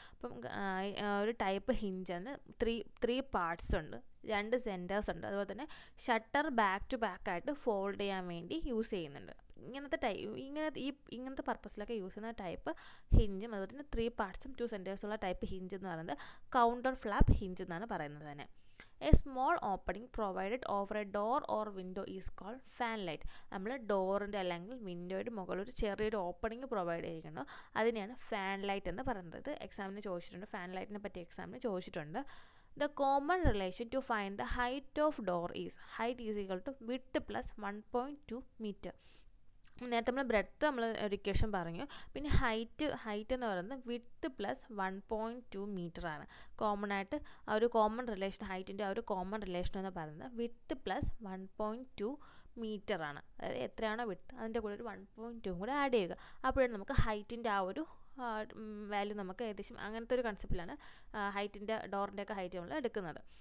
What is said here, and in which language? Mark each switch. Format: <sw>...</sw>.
<ml>അപ്പം ഒരു type ഹിഞ്ചാണ്, 3 parts ഉണ്ട്, 2 centers ഉണ്ട്, അതുപോലെ തന്നെ ഷട്ടർ ബാക്ക് ടു ബാക്ക് ആയിട്ട് ഫോൾഡ് ചെയ്യാൻ വേണ്ടി യൂസ് ചെയ്യുന്നുണ്ട്. ഇങ്ങനത്തെ പർപ്പസിലൊക്കെ യൂസ് ചെയ്യുന്ന ടൈപ്പ് ഹിഞ്ചും അതുപോലെ തന്നെ 3 parts 2 centers ഉള്ള ടൈപ്പ് ഹിഞ്ച് എന്ന് പറയുന്നത് കൗണ്ടർ ഫ്ലാപ്പ് ഹിഞ്ച് എന്നാണ് പറയുന്നത് തന്നെ.</ml> <en>A small opening provided over a door or window is called fanlight.</en> <ml>നമ്മൾ ഡോറിൻ്റെ അല്ലെങ്കിൽ വിൻഡോയുടെ മുകളിൽ ഒരു ചെറിയൊരു ഓപ്പണിംഗ് പ്രൊവൈഡ് ചെയ്യുന്നു, അതിനെയാണ് ഫാൻലൈറ്റ് എന്ന് പറയുന്നത്. എക്സാമിന് ചോദിച്ചിട്ടുണ്ട്, ഫാൻലൈറ്റിനെ പറ്റി എക്സാമിന് ചോദിച്ചിട്ടുണ്ട്.</ml> <en>The common relation to find the height of door is height is equal to width plus 1.2 meter.</en> <ml>നേരത്തെ നമ്മൾ ബ്രെഡ്ത്ത് നമ്മൾ ഇക്വേഷൻ പറഞ്ഞു, പിന്നെ ഹൈറ്റ് ഹൈറ്റ് എന്ന് പറയുന്നത് വിഡ്ത്ത് പ്ലസ് 1.2 മീറ്റർ ആണ്. കോമൺ ആയിട്ട് ആ ഒരു കോമൺ റിലേഷൻ, ഹൈറ്റിൻ്റെ ആ ഒരു കോമൺ റിലേഷൻ എന്ന് പറയുന്നത് വിഡ്ത്ത് പ്ലസ് 1.2 മീറ്റർ ആണ്. അതായത് എത്രയാണോ വിഡ്ത്ത് അതിൻ്റെ കൂടെ ഒരു 1.2 കൂടെ ആഡ് ചെയ്യുക, അപ്പോഴാണ് നമുക്ക് ഹൈറ്റിൻ്റെ ആ ഒരു വാല്യൂ നമുക്ക് ഏകദേശം അങ്ങനത്തെ ഒരു കൺസെപ്റ്റിലാണ് ഹൈറ്റിൻ്റെ ഡോറിൻ്റെയൊക്കെ ഹൈറ്റ് നമ്മൾ എടുക്കുന്നത്.</ml>